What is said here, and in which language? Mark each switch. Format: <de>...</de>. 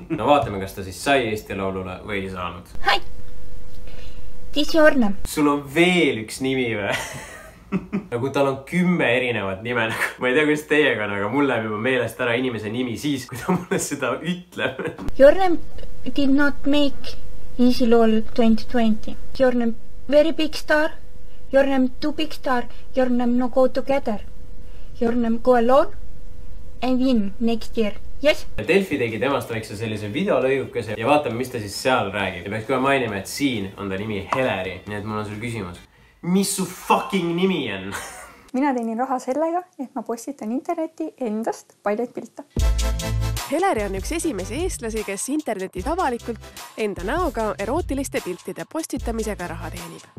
<et>No vaatame, kas ta siis sai Eesti Laulule või ei saanud. Hai! Tissi Orne. Sul on veel üks nimi või? Nagu tal on 10 erinevat nime, ma ei tea, kuidas teiega on, aga mul läheb juba meelest ära inimese nimi siis, kui ta mulle seda ütleb.</et> <en>Jornem did not make Easy Lol 2020. Jornem very big star, Jornem too big star, Jornem no go together. Jornem go alone and win next year. Yes.</en> <et>Delfi tegi temast väikse sellise videolõigukese ja vaatame, mis ta siis seal räägib. Ja peaks kohe mainima, et siin on ta nimi Heleri, nii et mul on sul küsimus. Mis su</et> <en>fucking</en> <et>nimi on? Mina teenin raha sellega, et ma postitan interneti endast paljaid pilte. Heleri on üks esimese eestlasi, kes internetis avalikult enda näoga erootiliste piltide postitamisega raha teenib.</et>